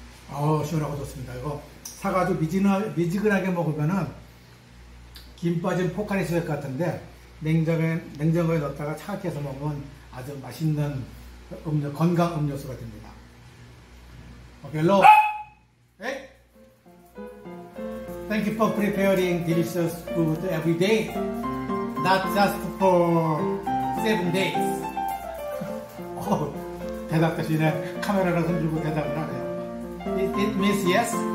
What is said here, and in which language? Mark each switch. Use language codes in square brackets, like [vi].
[ko] 아우, 시원하고 좋습니다. 이거 사가지고 미지근하게 먹으면은 김 빠진 포카리 스웨트 같은데, 냉장고에 넣었다가 차갑게 해서 먹으면 아주 맛있는 음료, 건강 음료수가 됩니다. 벨로. 에? [en] Thank you for preparing delicious food every day, not just for 7 days. [ko] 대답 대신에 카메라를 흔들고 대답을 하네요. [en] It means yes?